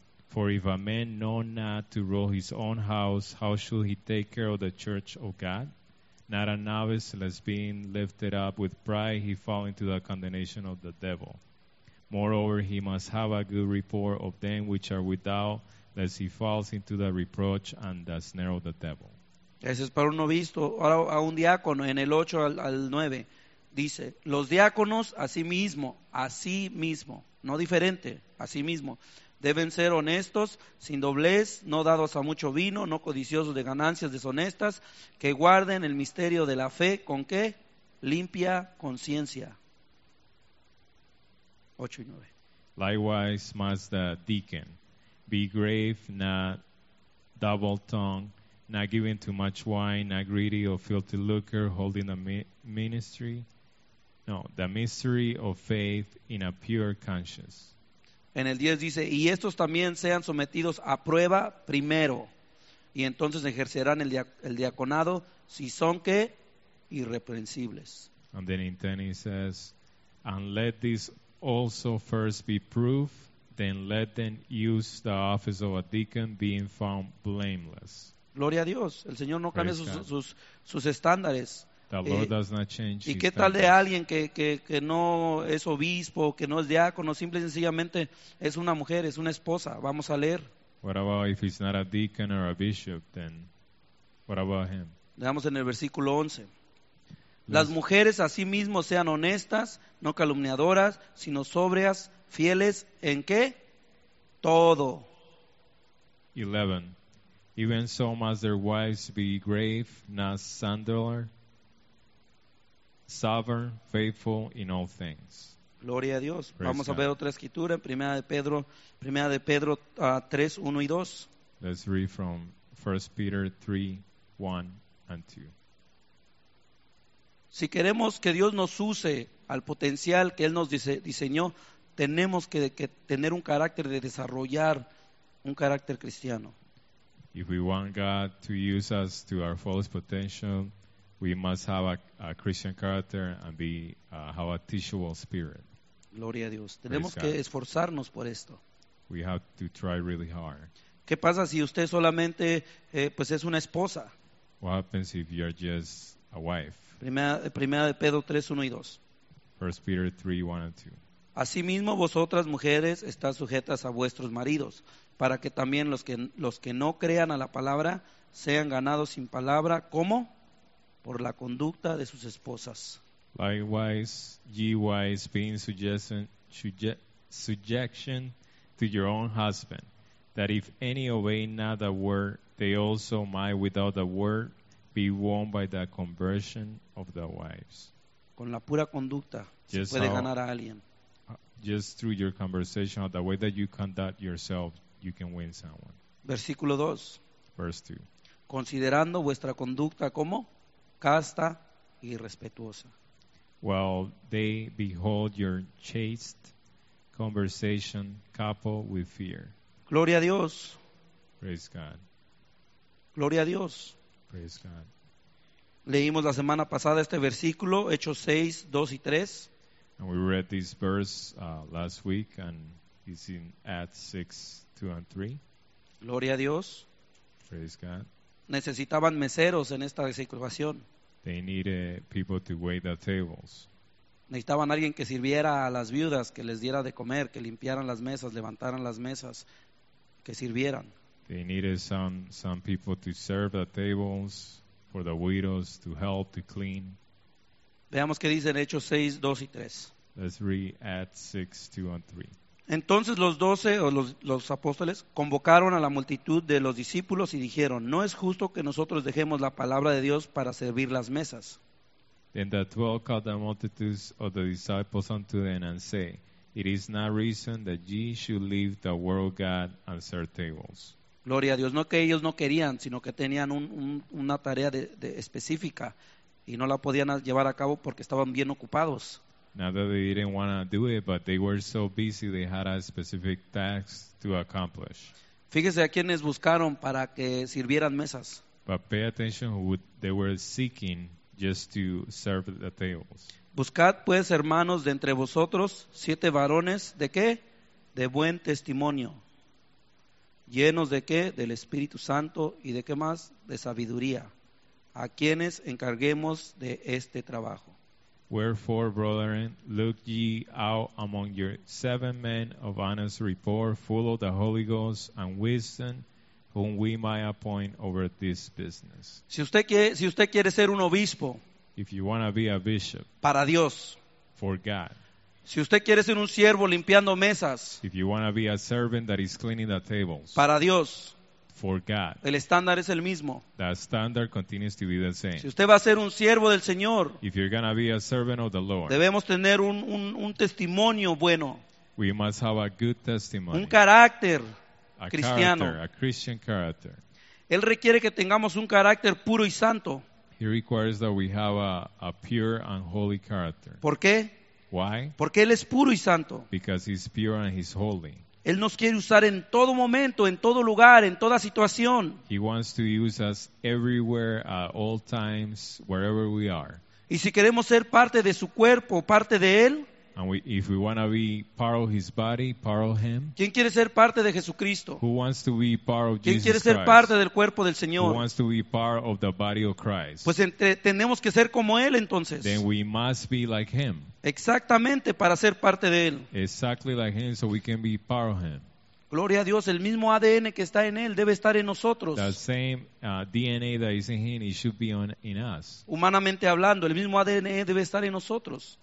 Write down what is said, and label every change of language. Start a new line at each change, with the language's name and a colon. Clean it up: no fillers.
English: For if a man know not to rule his own house, how shall he take care of the church of God? not a novice, lest being lifted up with pride he fall into the condemnation of the devil. Moreover, he must have a good report of them which are without, lest he falls into the reproach and the snare of the devil.
Spanish: Ese es para un novisto. Ahora a un diácono, en el 8 al 9, dice, los diáconos así mismo, no diferente, así mismo, deben ser honestos, sin doblez, no dados a mucho vino, no codiciosos de ganancias deshonestas, que guarden el misterio de la fe, ¿con qué? Limpia conciencia. 8 y 9.
English: Likewise must the deacon be grave, not double-tongued, not giving too much wine, not greedy or filthy lucre, holding the mystery of faith in a pure conscience.
Spanish: En el 10 dice, y estos también sean sometidos a prueba primero, y entonces ejercerán el diaconado si son que irreprensibles.
English: And then in 10 he says, and let this also first be proved, then let them use the office of a deacon, being found blameless.
Spanish: Gloria a Dios, el Señor no cambia sus estándares.
English: The Lord does not change.
Spanish: ¿Y qué tal de alguien que no es obispo, que no es diácono, simple y sencillamente es una mujer, es una esposa? Vamos a leer.
English: What about if he's not a deacon or a bishop, then what about him?
Spanish: Veamos en el versículo 11. Las mujeres asimismo sean honestas, no calumniadoras, sino sobrias, fieles, ¿en qué? Todo. 11.
English: Even so must their wives be grave, not slanderer, sovereign, faithful in all things.
Spanish: Gloria a Dios.
English: Praise
Spanish: Vamos
English: God.
Spanish: A ver otra escritura en Primera de Pedro 3, 1 y 2.
English: Let's read from 1 Peter 3, 1 and 2.
Spanish: Si queremos que Dios nos use al potencial que Él nos diseñó, tenemos que tener un carácter de desarrollar un carácter cristiano.
English: If we want God to use us to our fullest potential, we must have a Christian character and have a teachable spirit.
Spanish: Gloria a Dios. Tenemos que esforzarnos por esto.
English: We have to try really hard.
Spanish: ¿Qué pasa si usted solamente es una esposa?
English: What happens if you are just a wife?
Spanish: Primera de Pedro 3, 1 y 2.
English: 1 Peter 3, 1 and 2.
Spanish: Asimismo, vosotras mujeres, estás sujetas a vuestros maridos, para que también los que no crean a la palabra sean ganados sin palabra, ¿cómo? Por la conducta de sus esposas.
English: Likewise, ye wives, be in subjection to your own husband, that if any obey not the word, they also might without the word be won by the conversion of the wives.
Spanish: Con la pura conducta se puede ganar a alguien.
English: Just through your conversation, the way that you conduct yourself, you can win someone.
Spanish: Versículo 2.
English: Verse 2.
Spanish: Considerando vuestra conducta como casta y respetuosa.
English: While they behold your chaste conversation coupled with fear.
Spanish: Gloria a Dios.
English: Praise God.
Spanish: Gloria a Dios.
English: Praise God.
Spanish: Leímos la semana pasada este versículo, Hechos 6, 2 y 3.
English: And we read this verse last week, and it's in Acts 6, 2 and 3.
Spanish: Gloria a Dios.
English: Praise God.
Spanish: Necesitaban meseros en esta situación.
English: They needed people to wait at tables.
Spanish: Necesitaban alguien que sirviera a las viudas, que les diera de comer, que limpiaran las mesas, levantaran las mesas, que sirvieran.
English: They needed some people to serve at tables, for the widows to help, to clean.
Spanish: Veamos qué dice en Hechos 6, 2 y 3.
English: Let's read Acts 6, 2 and 3.
Spanish: Entonces los 12, o los apóstoles, convocaron a la multitud de los discípulos y dijeron, no es justo que nosotros dejemos la palabra de Dios para servir las mesas.
English: Then the 12 called the multitudes of the disciples unto them and say, it is not reason that ye should leave the word of God and serve tables.
Spanish: Gloria a Dios, no que ellos no querían, sino que tenían una tarea de específica. Y no la podían llevar a cabo porque estaban bien ocupados.
English: Not that they didn't want to do it, but they were so busy they had a specific task to accomplish.
Spanish: Fíjese a quienes buscaron para que sirvieran mesas.
English: But pay attention who they were seeking just to serve the tables.
Spanish: Buscad pues, hermanos, de entre vosotros, 7 varones, ¿de qué? De buen testimonio. ¿Llenos de qué? Del Espíritu Santo. ¿Y de qué más? De sabiduría. a quienes encarguemos de este trabajo.
English: Wherefore, brethren, look ye out among your seven men of honest report, full of the Holy Ghost and wisdom, whom we might appoint over this business.
Spanish: Si usted quiere ser un obispo,
English: if you want to be a bishop,
Spanish: para Dios,
English: for God.
Spanish: Si usted quiere ser un siervo limpiando mesas,
English: if you want to be a servant that is cleaning the tables,
Spanish: para Dios,
English: for God.
Spanish: El estándar es el mismo.
English: The standard continues to be the same.
Spanish: Si usted va a ser un siervo del Señor,
English: if you're going to be a servant of the Lord,
Spanish: debemos tener un testimonio bueno.
English: We must have a good testimony.
Spanish: Un carácter cristiano.
English: A Christian character.
Spanish: Él requiere que tengamos un carácter puro y santo.
English: He requires that we have a pure and holy character.
Spanish: ¿Por qué?
English: Why?
Spanish: Porque él es puro y santo.
English: Because he's pure and he's holy.
Spanish: Él nos quiere usar en todo momento, en todo lugar, en toda situación.
English: He wants to use us everywhere, at all times, wherever we are.
Spanish: Y si queremos ser parte de su cuerpo, parte de él.
English: And if we want to be part of his body, part of him.
Spanish: ¿Quién quiere ser parte de Jesucristo?
English: Who wants to be part of Jesus?
Spanish: ¿Quién quiere ser parte del cuerpo del Señor?
English: Who wants to be part of the body of Christ?
Spanish: Pues tenemos que ser como él entonces.
English: Then we must be like him.
Spanish: Exactamente, para ser parte de él.
English: Exactly like him, so we can be part of him.
Spanish: Gloria a Dios, el mismo ADN que está en él debe estar en nosotros.
English: The same DNA that is in him, it should be in us.
Spanish: Humanamente hablando, el mismo ADN debe estar en nosotros.